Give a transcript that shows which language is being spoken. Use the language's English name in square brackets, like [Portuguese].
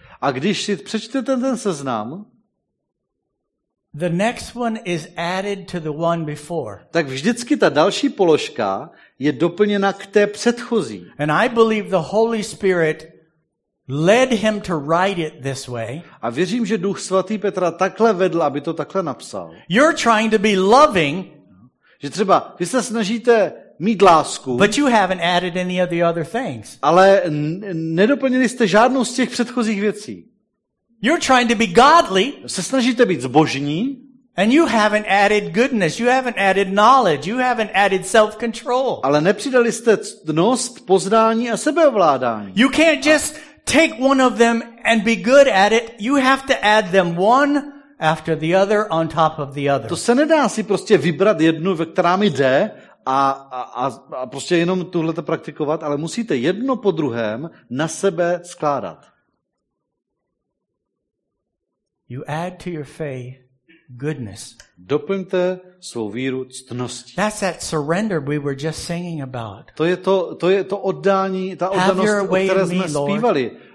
[Czech] a když si přečtete ten seznam, [English] the next one is added to the one before. [Czech] Tak vždycky ta další položka je doplněna k té předchozí. [English] And I believe the Holy Spirit led him to write it this way. [Czech] A věřím, že Duch svatý Petra takhle vedl, aby to takhle napsal. [English] You're trying to be loving. [Czech] Že třeba vy se snažíte mít lásku. [English] But you haven't added any of the other things. [Czech] Ale nedoplnili jste žádnou z těch předchozích věcí. [English] You're trying to be godly. [Czech] Se snažíte být zbožní. [English] And you haven't added goodness, you haven't added knowledge, you haven't added self-control. [Czech] Ale nepřidali jste ctnost, poznání a sebeovládání. [English] You can't just take one of them and be good at it. You have to add them one after the other on top of the other. [Czech] To se nedá si prostě vybrat jednu, ve která mi jde, a prostě jenom tuhle to praktikovat, ale musíte jedno po druhém na sebe skládat. [English] You add to your faith goodness. [Czech] Doplňte svou víru ctností. [English] That's that surrender we were just singing about. [Czech] To je to oddání, ta oddanost, o které jsme zpívali.